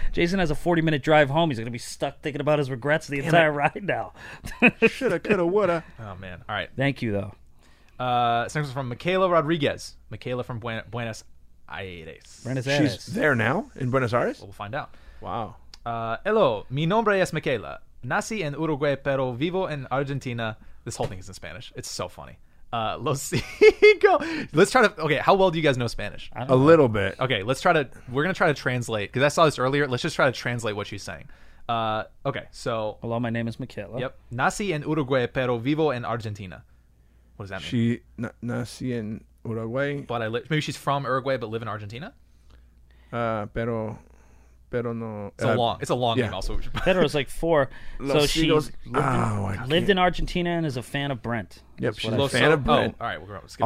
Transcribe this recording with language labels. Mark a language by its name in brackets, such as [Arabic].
[English] Jason has a 40-minute drive home. He's going to be stuck thinking about his regrets the entire ride now. Shoulda, coulda, woulda. Oh, man. All right. Thank you, though. This is from Michaela Rodriguez. Michaela from Buenos Aires. Buenos Aires. She's there now in Buenos Aires? We'll find out. Wow. Hello, [Spanish] mi nombre es Michaela. Nací en Uruguay, pero vivo en Argentina. [English] This whole thing is in Spanish. It's so funny. [Spanish] Los cinco. [English] Let's try to. Okay, how well do you guys know Spanish? A little bit. Okay, let's try to. We're going to try to translate because I saw this earlier. Let's just try to translate what she's saying. Okay, so. Hello, my name is Michaela. Yep. [Spanish] Nací en Uruguay, pero vivo en Argentina. [English] What does that mean? She [Spanish] nací en Uruguay. [English] But maybe she's from Uruguay but live in Argentina? [Spanish] Pero no. [English] It's a long name also. Pero is like four. She lived in Argentina and is a fan of Brent. Yep, she's a fan of Brent. Oh, all right, we're going to skip